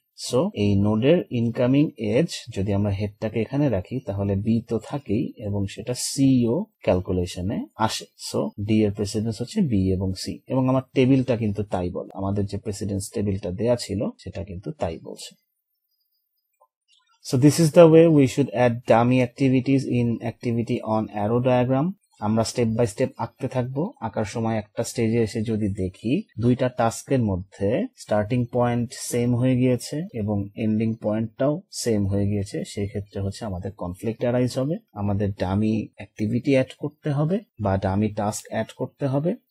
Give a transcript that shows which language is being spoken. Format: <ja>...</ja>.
<bn>So এই নোডের incoming age যদি আমরা হেডটাকে এখানে রাখি তাহলে বি তো থাকেই এবং সেটা সিও ক্যালকুলেশনে আসে। সো ডি এর প্রেসিডেন্স হচ্ছে বি এবং সি এবং আমার টেবিলটা কিন্তু তাই বলে, আমাদের যে প্রেসিডেন্স টেবিলটা দেয়া ছিল সেটা কিন্তু তাই বলছে।</bn> <en>So this is the way we should add dummy activities in activity on arrow diagram.</en> <bn>আমরা স্টেপ বাই স্টেপ আঁকতে থাকবো, আঁকার সময় একটা স্টেজে এসে যদি দেখি দুইটা টাস্কের মধ্যে স্টার্টিং পয়েন্ট সেম হয়ে গিয়েছে এবং এন্ডিং পয়েন্টটাও সেম হয়ে গিয়েছে, সেই ক্ষেত্রে হচ্ছে আমাদের কনফ্লিক্ট অ্যারাইজ হবে, আমাদের ডামি অ্যাক্টিভিটি অ্যাড করতে হবে বা ডামি টাস্ক অ্যাড করতে হবে।</bn>